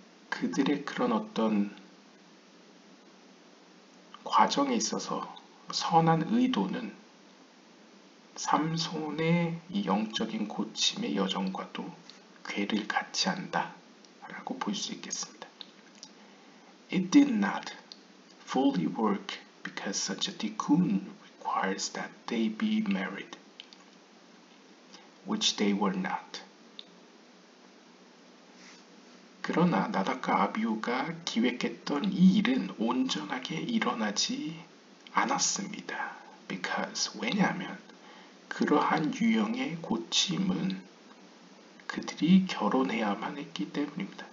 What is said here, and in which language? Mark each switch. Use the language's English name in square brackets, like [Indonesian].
[Korean] 그들의 그런 어떤 과정에 있어서 선한 의도는 삼손의 이 영적인 고침의 여정과도 궤를 같이 한다라고 볼 수 있겠습니다. [English] It did not fully work because such a tikkun requires that they be married, which they were not. [Korean] 그러나 나답과 아비후가 기획했던 이 일은 온전하게 일어나지 않았습니다. Because 왜냐하면 그러한 유형의 고침은 그들이 결혼해야만 했기 때문입니다.